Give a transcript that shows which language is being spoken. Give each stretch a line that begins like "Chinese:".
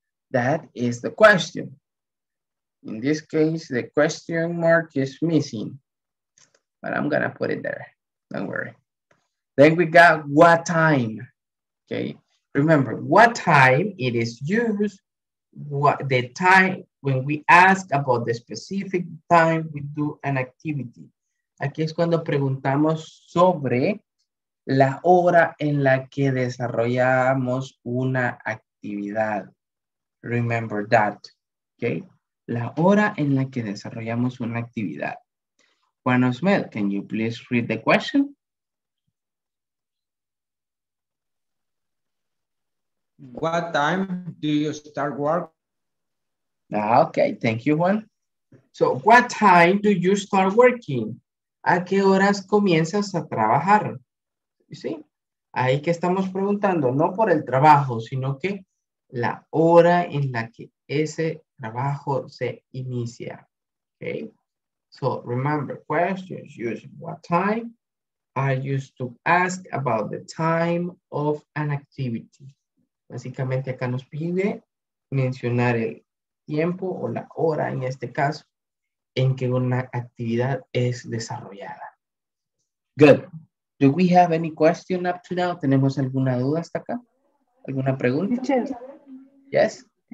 English: That is the question. In this case, the question mark is missing, but I'm gonna put it there. Don't worry. Then we got what time. Okay. Remember, what time it is used, what the time when we ask about the specific time we do an activity.
Spanish: Aquí es cuando preguntamos sobre la hora en la que desarrollamos una actividad.
English: Remember that. Okay.
Spanish: La hora en la que desarrollamos una actividad.
English: Juan Osmel, can you please read the question? What time do you start work? Okay, thank you, Juan. So, what time do you start working?
Spanish: ¿A qué horas comienzas a trabajar? ¿Sí? Ahí que estamos preguntando, no por el trabajo, sino que la hora en la que ese trabajo se inicia.
English: Okay. So remember questions using what time are used to ask about the time of an activity.
Spanish: Básicamente acá nos pide mencionar el tiempo o la hora en este caso en que una actividad es desarrollada.
English: Good. Do we have any question up to now?
Spanish: ¿Tenemos alguna duda hasta acá? ¿Alguna pregunta?
English: Yes.